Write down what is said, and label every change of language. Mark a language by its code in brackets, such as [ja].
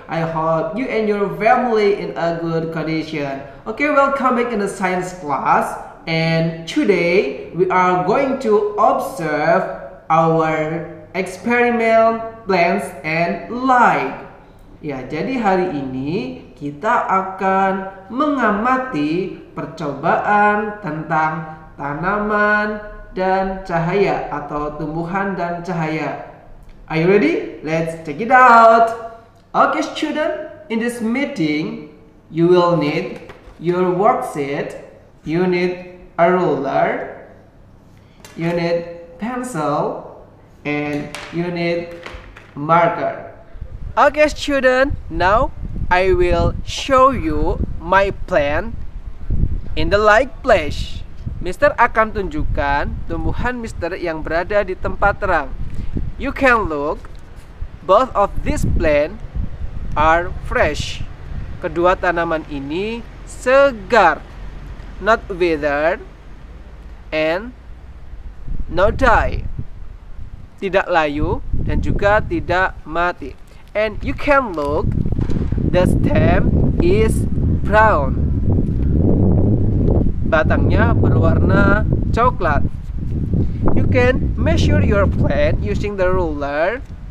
[en] I hope you and your family in a good condition. Okay, welcome back in the science class. And today, we are going to observe our experiment plants and life. [id] Ya, jadi hari ini kita akan mengamati percobaan tentang tanaman dan cahaya atau tumbuhan dan cahaya. [en] Are you ready? Let's check it out. Okay, student, in this meeting, you will need your worksheet, you need a ruler, you need pencil, and you need marker. Okay, student, now I will show you my plan in the light place. [id] Mister akan tunjukkan tumbuhan Mister yang berada di tempat terang. [en] You can look, both of these plants are fresh. [id] Kedua tanaman ini segar, [en] not withered and not die. [id] Tidak layu dan juga tidak mati. [en] And you can look, the stem is brown. [id] Batangnya berwarna coklat. [en] You can measure your plant using the ruler.